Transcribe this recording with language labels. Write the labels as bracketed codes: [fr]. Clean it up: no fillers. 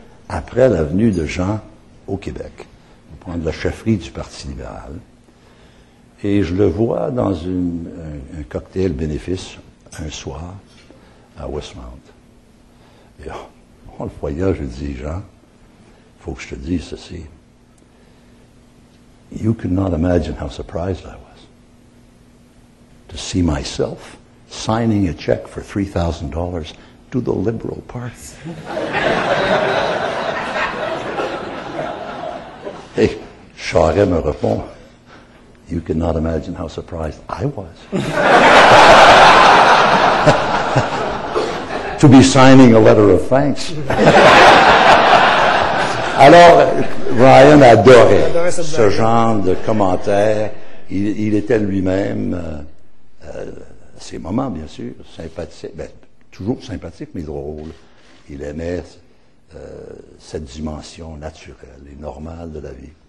[fr] Après la venue de Jean au Québec, pour prendre la chefferie du Parti libéral, et je le vois dans un cocktail bénéfice un soir à Westmount. Et en le voyant, je dis, Jean, il faut que je te dise ceci. [en] You could not imagine how surprised I was. To see myself signing a check for $3,000 to the Liberal Party. [fr] Et Charest me répond, [en] you cannot imagine how surprised I was to be signing a letter of thanks. [fr] Alors, Ryan adorait ce genre de commentaire. Il était lui-même... ses moments, bien sûr, sympathiques, ben, toujours sympathiques, mais drôles. Il aimait cette dimension naturelle et normale de la vie.